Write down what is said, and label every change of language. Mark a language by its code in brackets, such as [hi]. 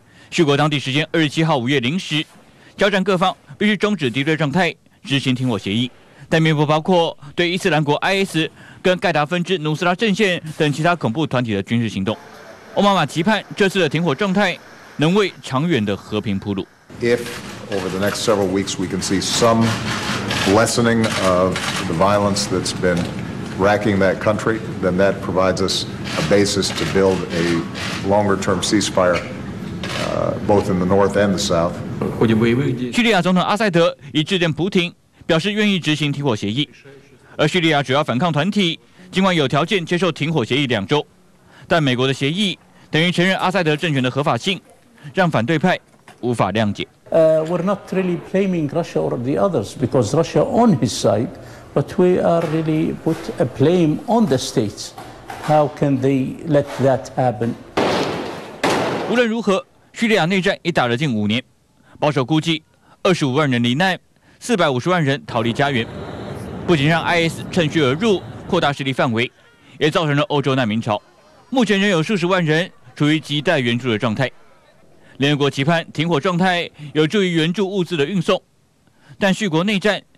[zh] 叙国当地时间27号5月0时，交战各方必须终止敌对状态，执行停火协议，但并不包括对伊斯兰国 IS 跟盖达分支努斯拉阵线等其他恐怖团体的军事行动。奥巴马期盼这次的停火状态能为长远的和平铺路。 [en] If over the next several weeks we can see some lessening of the violence that's been racking that country, then that provides us a basis to build a longer-term ceasefire, both in the north and the south. [zh] 叙利亚总统阿塞德已致电普廷，表示愿意执行停火协议。而叙利亚主要反抗团体尽管有条件接受停火协议2周，但美国的协议等于承认阿塞德政权的合法性，让反对派无法谅解。 [en] We're not really blaming Russia or the others because Russia on his side. But we are really put a blame on the states. How can they let that happen? [zh] 无论如何，叙利亚内战已打了近5年，保守估计25万人罹难，450万人逃离家园，不仅让 IS 趁虚而入，扩大势力范围，也造成了欧洲难民潮。目前仍有数十万人处于亟待援助的状态。联合国期盼停火状态有助于援助物资的运送，但叙国内战。